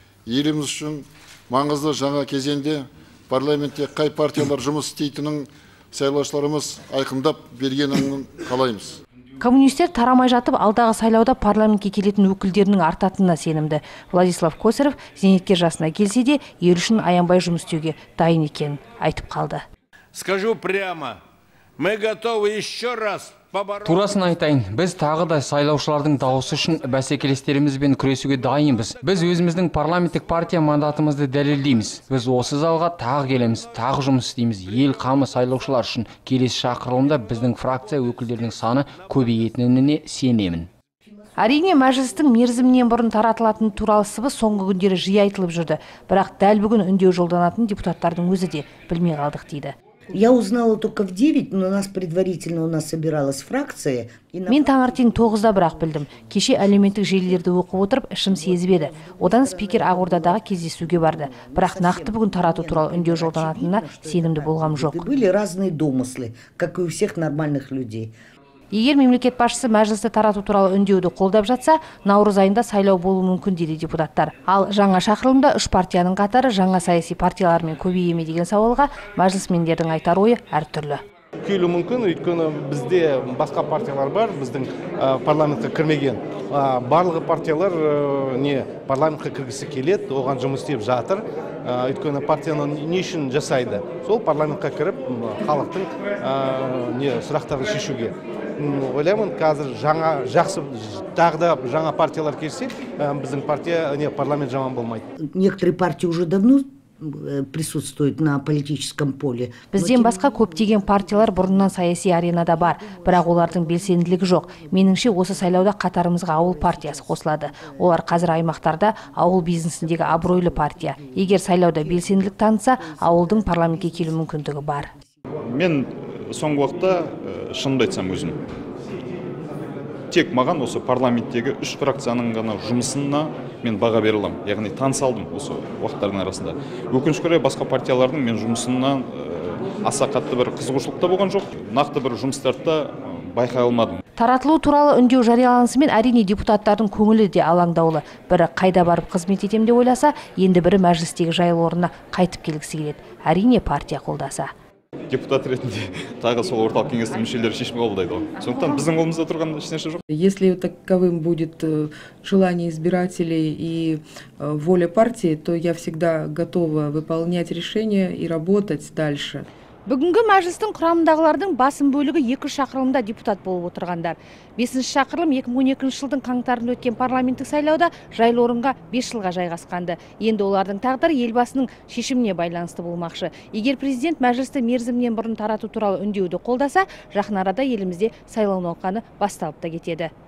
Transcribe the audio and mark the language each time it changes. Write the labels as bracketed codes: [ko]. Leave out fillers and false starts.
[kk] Еліміз үшін маңызды жаңа кезеңде парламентте қай партиялар жұмыс істейтінін сайлаушыларымыз айқындап бергенін қалаймыз. Коммунистер тарамай жатып, алдағы сайлауда парламентке келетін өкілдерінің артатынына сенімді. Владислав Косарев зейнеткер жасына келсе де, ел үшін аянбай жұмыс істеуге дайын екенін айтып қалды. [ru] Скажу прямо, мы готовы еще раз. [kk] Турасын айтайын, біз тағы да сайлаушылардың дауысы үшін бәсекелестерімізбен күресуге дайынбыз. Біз өзіміздің парламенттік партия мандатымызды дәлелдейміз. Біз осы залға тағы келеміз, тағы жұмыс істейміз. Ел қамы сайлаушылар үшін келесі шақырылымда біздің фракция өкілдерінің саны көбейетініне сенемін. Әрине, мәжілістің мерзімінен бұрын таратылатын туралы сыбыс соңғы күндері жиі айтылып жүрді. Бірақ дәл бүгін үндеу жолданатын депутаттардың өзі де білмей қалдық дейді. [ru] Я узнала только в 9, но нас предварительно у нас собиралась фракция. [kk] Мен таңертең 9-да бірақ білдім. Кеше әлеуметтік желілерді оқып отырып, ішім сезіп еді. Одан спикер Ақордадағы кездесуге барды. Бірақ нақты бүгін тарату туралы үндеу жолданатынына сенімді болғам жоқ. [ru] Были разные домыслы, как и у всех нормальных людей. [kk] Егер мемлекет басшысы мәжілісті тарату туралы үндеуді қолдап жатса, наурыз айында сайлау болуы мүмкін дейді депутаттар. Ал жаңа шақырылымда үш партияның қатары жаңа саяси партиялармен көбейе ме деген сауалға мәжілісмендердің айтар ойы әртүрлі. Келу мүмкін, өйткені бізде басқа партиялар бар, біздің парламентке кірмеген. Барлығы партиялар парламентке кіргісі келеді, оған жұмыс істеп жатыр. Өйткені партияны не үшін жасайды? Сол парламентке кіріп, халықтың сұрақтарын шешуге. Ойлаймын, қазір жаңа партиялар келсе, біздің партия парламент жаман болмайды. [ru] Некоторые партии уже давно присутствует на политическом поле. [kk] Бізден басқа көптеген партиялар бұрыннан саяси аренада бар, бірақ олардың белсенділігі жоқ. Меніңше осы сайлауда қатарымызға ауыл партиясы қосылады. Олар қазір аймақтарда ауыл бизнесіндегі абыройлы партия. Егер сайлауда белсенділік танытса, ауылдың парламентке келу мүмкіндігі бар. Мен соңғы уақытта шынымды айтсам өзім, тек маған осы парламенттегі үш фракцияның ғана жұмысына мен баға бере аламын, яғни таныса алдым осы уақыттардың арасында. Өкінішке орай басқа партиялардың мен жұмысына аса қатты бір қызығушылық та болған жоқ, нақты бір жұмыстарды да байқай алмадым. Таратылу туралы үндеу жарияланысымен әрине депутаттардың көңілі де алаңдаулы. Бірі қайда барып қызмет етемін деп ойласа, енді бірі мәжілістегі жайлы орнына қайтып келгісі келеді, әрине партия қолдаса. Депутат ретінде тағы сол орталық кеңестің мүшелері шешім қабылдайды ғой. Сондықтан біздің қолымызда тұрған ешнәрсе жоқ. [ru] Если таковым будет желание избирателей и воля партии, то я всегда готова выполнять решения и работать дальше. [kk] Бүгінгі мәжілістің құрамындағылардың басым бөлігі 2 шақырылымда депутат болып отырғандар. 5-ші шақырылым 2012 жылдың қаңтарында өткен парламенттік сайлауда жайлы орынға 5 жылға жайғасқанды. Енді олардың тағдыры елбасының шешіміне байланысты болмақшы. Егер президент мәжілісті мерзімінен бұрын тарату туралы үндеуді қолдаса, жақын арада елімізде сайлау науқаны басталып та кетеді.